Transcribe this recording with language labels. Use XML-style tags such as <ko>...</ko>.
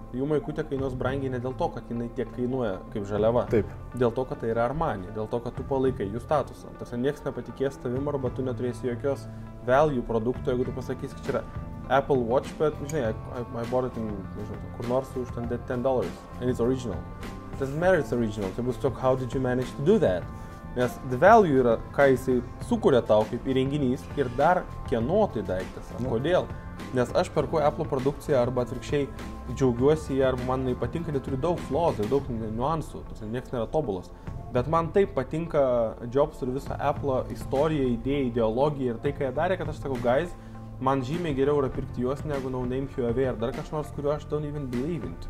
<lt>Jų maikutė kainuos brangiai ne dėl to, kad jinai tiek kainuoja kaip žaliava. Taip. Dėl to, kad tai yra Armani, dėl to, kad tu palaikai jų statusą. Tarsi nieks nepatikės tavim, arba tu neturėsi jokios value produkto, jeigu tu pasakysi, kad čia yra Apple Watch, bet, žinai,</lt> <en>I bought it in,</en> <lt>nežinau, kur nors už ten $10,</lt> <en>and it's original. It doesn't matter it's original,</en> <lt>tai bus tiesiog,</lt> <en>how did you manage to do that?</en> <lt>Nes</lt> <en>the value</en> <lt>yra, ką jisai sukuria tau kaip įrenginys, ir dar kieno tai daiktas, kodėl? Nes aš perku Apple produkciją, arba atvirkščiai džiaugiuosi ją, arba man nepatinka, tai turi daug flaws, daug niuansų, tai nieks nėra tobulas. Bet man taip patinka Jobs ir visą Apple istoriją, idėją, ideologiją ir tai, ką jie darė, kad aš sakau, guys, man žymiai geriau yra pirkti juos negu No Name Huawei ar dar kažkoks, kuriuo aš</lt> <en>don't even believe in.</en>